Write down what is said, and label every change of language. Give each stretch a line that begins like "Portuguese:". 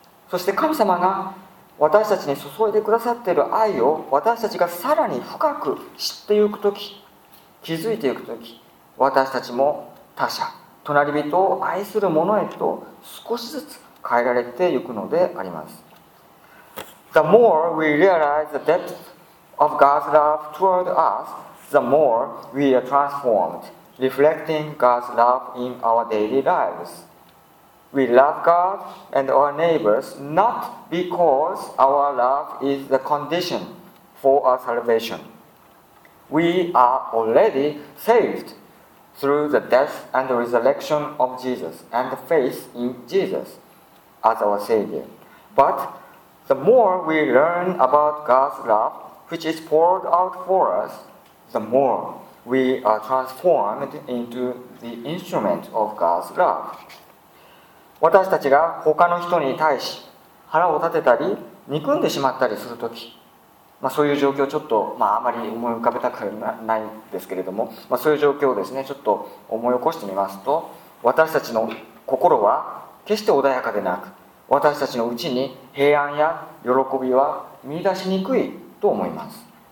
Japanese: そして神様が私たちに注いでくださっている愛を私たちがさらに深く知っていくとき、気づいていくとき、私たちも他者、隣人を愛する者へと少しずつ変えられていくのであります。
English: The more we realize the depth of God's love toward us, the more we are transformed, reflecting God's love in our daily lives. We love God and our neighbors not because our love is the condition for our salvation. We are already saved through the death and the resurrection of Jesus and the faith in Jesus as our Savior. But the more we learn about God's love, which is poured out for us, the more we are transformed into the instrument of God's love.
Japanese: 私たちが他の人に対し腹を立てたり憎んでしまったりするとき、まあ、そういう状況をちょっと、まあ、あまり思い浮かべたくないんですけれども、まあ、そういう状況をですねちょっと思い起こしてみますと、私たちの心は決して穏やかでなく、私たちのうちに平安や喜びは見出しにくいと思います。